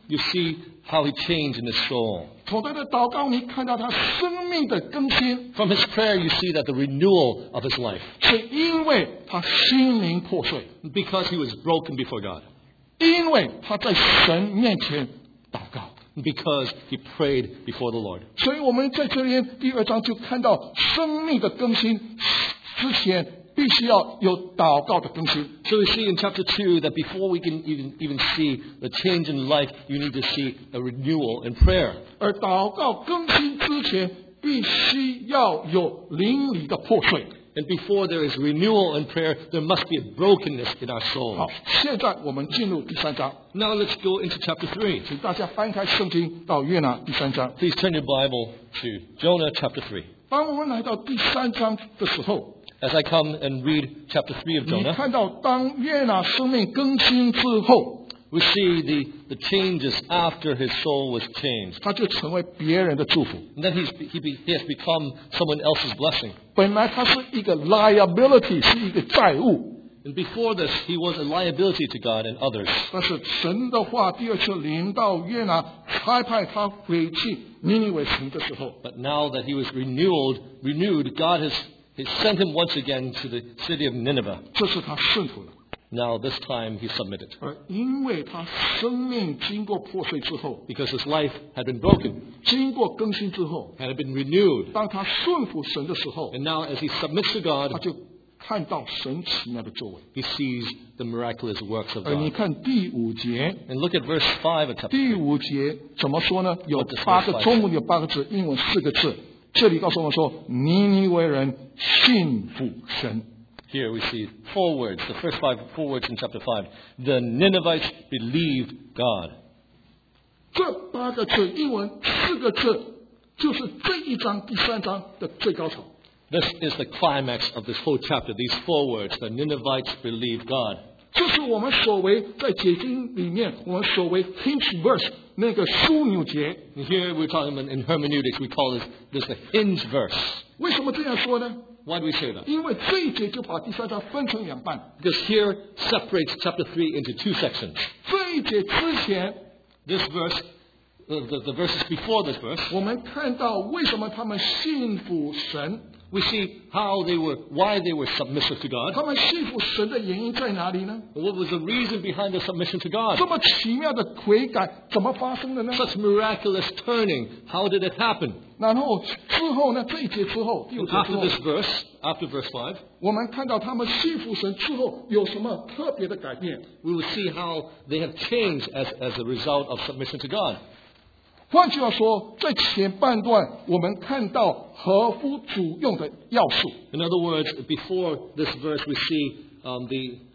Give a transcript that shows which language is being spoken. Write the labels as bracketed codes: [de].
[en] You see how he changed in his soul. [zh] 从他的祷告，你看到他生命的更新。 [en] From his prayer, you see that the renewal of his life. [zh] 是因为他心灵破碎。 [en] Because he was broken before God. [zh] 因为他在神面前祷告。 [en] Because he prayed before the Lord. [zh] 所以我们在这边第二章就看到生命的更新之前必须要有祷告的更新。 [en] So we see in chapter 2 that before we can even see the change in life, you need to see a renewal in prayer. [zh] 而祷告更新之前必须要有灵里的破碎。 [en] And before there is renewal in prayer, there must be a brokenness in our souls. [zh] 好，现在我们进入第三章。 [en] Now let's go into chapter 3. [zh] 请大家翻开圣经到约拿第三章。 [en] Please turn your Bible to Jonah chapter 3. [zh] 当我们来到第三章的时候， [en] As I come and read chapter 3 of Jonah, [zh] 你看到当约拿生命更新之后， [en] We see the changes after his soul was changed. [zh] 他就成为别人的祝福。 [en] And then he has become someone else's blessing. [zh] 本来他是一个 liability, 是一个债务。 [en] And before this, he was a liability to God and others. [zh] 但是神的话第二次临到约拿，差派他回去尼尼微城的时候。 [en] But now that he was renewed, God has sent him once again to the city of Nineveh. [zh] 这是他顺服了。 [en] Now this time he submitted. [zh] 而因为他生命经过破碎之后， [en] because his life had been broken, [zh] 经过更新之后， [en] had been renewed, [zh] 当他顺服神的时候， [en] and now as he submits to God, [zh] 他就看到神奇妙的作为， [en] he sees the miraculous works of God. [zh] 而你看第五节， [en] and look at verse 5 of chapter [zh] 第五节怎么说呢？有八个中文有八个字，英文四个字。这里告诉我们说，尼尼微人信服神。 [en] Here we see four words, the first five, four words in chapter 5. The Ninevites believed God. [zh] 这八个字，英文四个字，就是这一章第三章的最高潮。 [en] This is the climax of this whole chapter, these four words, the Ninevites believed God. [zh] 这是我们所谓在解经里面，我们所谓 hinge verse, 那个枢纽节。 [en] Here we're talking about in hermeneutics, we call this the hinge verse. [zh] 为什么这样说呢？ [en] Why do we say that? [zh] 因为这一节就把第三章分成两半。 [en] Because here separates chapter 3 into two sections. [zh] 这一节之前 [en] this verse, the verses before this verse, [zh] 我们看到为什么他们信服神。 [en] We see how they were, why they were submissive to God. [zh] 他们信服神的原因在哪里呢？ [en] What was the reason behind the submission to God? [zh] 这么奇妙的悔改怎么发生的呢？ [en] Such miraculous turning, how did it happen? [zh] 然后之后呢？这一节之后，第五节之后。 [en] After this verse, after verse 5, [zh] 我们看到他们信服神之后有什么特别的改变？ [en] We will see how they have changed as a result of submission to God. [zh] 换句话说，在前半段我们看到合乎主用的要素。 [en] In other words, before this verse, we see